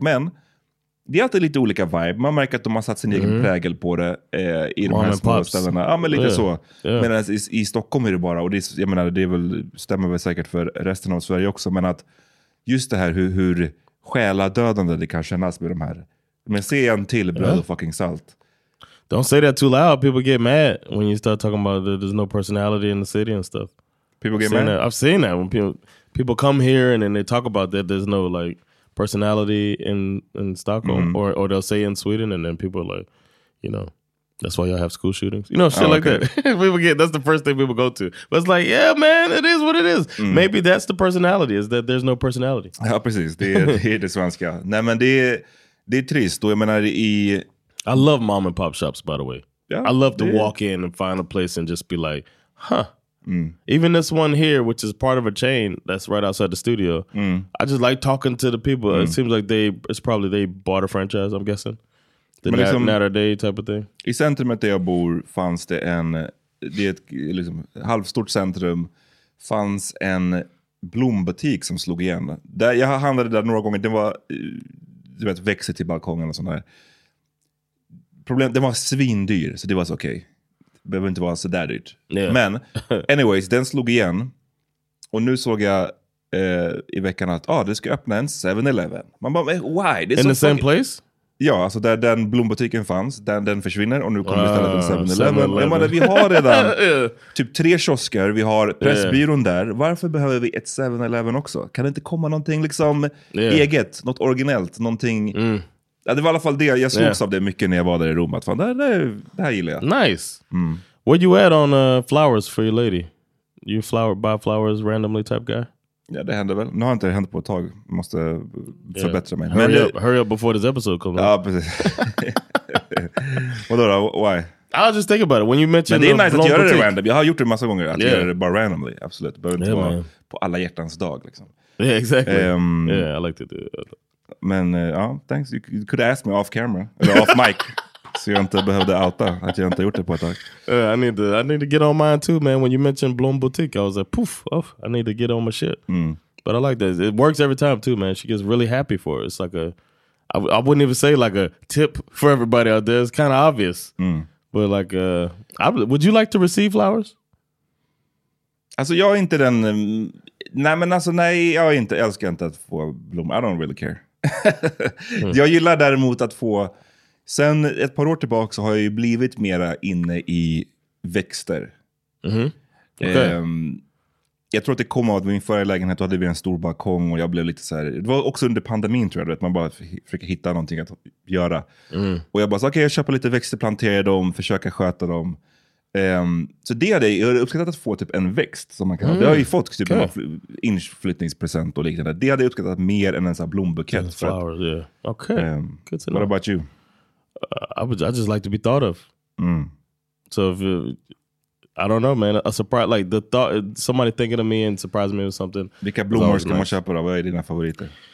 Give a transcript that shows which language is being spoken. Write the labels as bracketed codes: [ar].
[sv] Men det är alltid lite olika vibe. Man märker att de har satt sin egen prägel på det i de här små ställena. Ja, men lite så. Yeah. Medan i Stockholm är det bara, och det är, jag menar, det är väl, stämmer väl säkert för resten av Sverige också, men att just det här hur själadödande det kan kännas med de här. Men se en till bröd och fucking salt. [en] Don't say that too loud. People get mad when you start talking about that there's no personality in the city and stuff. People get mad? I've seen that. When people come here and then they talk about that there's no like personality in Stockholm or they'll say in Sweden and then people are like, you know, that's why y'all have school shootings. You know, shit like that. People get, that's the first thing people go to. But it's like, yeah, man, it is what it is. Mm. Maybe that's the personality, is that there's no personality. [sv] Ja, precis. Det är det svenska. Nej, men det är trist. Och jag menar, [en] I love mom and pop shops, by the way. Yeah, I love to walk in and find a place and just be like, huh. Even this one here, which is part of a chain that's right outside the studio, I just like talking to the people. It seems like they bought a franchise, I'm guessing. Natterday type of thing. [sv] I centrumet där jag bor fanns det ett liksom halvstort centrum, fanns en blombutik som slog igen. Där jag handlade där några gånger, det var, du vet, växer till balkongen och sådär. Problem, det var svindyr, så det var så okej. Okay. Behöver inte vara så där dyrt. Yeah. Men, anyways, den slog igen. Och nu såg jag i veckan att det ska öppna en 7-Eleven. Man bara, why? [en] In the same place? [sv] Ja, alltså där den blombutiken fanns, den försvinner. Och nu kommer vi istället en 7-Eleven. Jag menar, vi har redan typ 3 kiosker. Vi har Pressbyrån där. Varför behöver vi ett 7-Eleven också? Kan det inte komma någonting liksom eget? Något originellt? Någonting... Ja, det var i alla fall det. Jag slogs av det mycket när jag var där i Rom. Att fan, det här gillar jag. [en] Nice. What you add on flowers for your lady? You buy flowers randomly type guy? [sv] Ja, det händer väl. Nu har inte det hänt på ett tag. Måste förbättra mig. [en] Hurry up before this episode comes [sv] out. Ja, precis. Vadå då? Why? [en] I'll just think about it. When you mentioned [sv] the blombutik. Men det är nice att göra det random. Jag har gjort det en massa gånger. Att göra det bara randomly. Absolut. Det behöver inte vara på alla hjärtans dag. Liksom. [en] Yeah, exactly. I like to do it. [sv] Men [en] thanks, you could ask me off camera [sv] eller [en] off mic [sv] så jag inte behövde outa att jag inte gjort det på ett tag. [en] I need to get on mine too, man. When you mentioned Blom Boutique, I was like, poof, oh, I need to get on my shit. But I like that it works every time too, man. She gets really happy for it. It's like I wouldn't even say like a tip for everybody out there. It's kind of obvious. But like would you like to receive flowers? [sv] Alltså jag är inte den. Nej, men alltså nej, jag älskar inte att få blommor. [en] I don't really care. [sv] Jag gillar däremot att få. Sen ett par år tillbaka så har jag ju blivit mera inne i växter. Jag tror att det kom av att min förra lägenhet, då hade vi en stor balkong och jag blev lite så här. Det var också under pandemin, tror jag, att man bara försöker hitta någonting att göra. Och jag bara sa, okej, jag köper lite växter, planterar dem, försöka sköta dem. Så det är det. Jag har uppskattat att få typ en växt som man kan ha. Det har ju fått typ en inflyttningspresent och liknande. Det hade jag uppskattat mer än en sån här blombukett. [en] Flowers, yeah. Okay. Good to know. What about you? I just like to be thought of. So if I don't know, man. A surprise, like the thought, somebody thinking of me and surprising me with something. [sv] Vilka blommor ska man köpa då? Vad är dina favoriter?